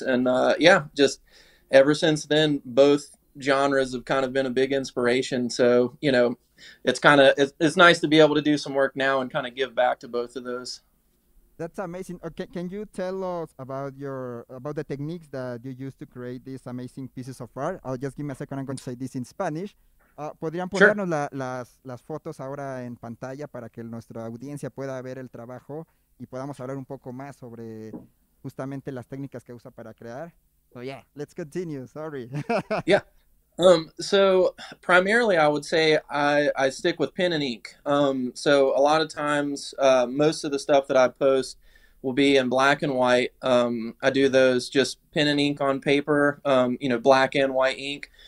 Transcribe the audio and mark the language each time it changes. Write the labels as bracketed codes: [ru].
[en] And just ever since then, both genres have kind of been a big inspiration. So, you know, it's nice to be able to do some work now and kind of give back to both of those. That's amazing. Okay, can you tell us about the techniques that you use to create these amazing pieces of art? I'll just give me a second. I'm going to say this in Spanish. [es] ¿Podrían ponernos las fotos ahora en pantalla para que nuestra audiencia pueda ver el trabajo y podamos hablar un poco más sobre justamente las técnicas que usa para crear? [en] So, yeah, let's continue. Sorry. Yeah. So primarily I would say I stick with pen and ink. So a lot of times, most of the stuff that I post will be in black and white. I do those just pen and ink on paper, you know, black and white ink.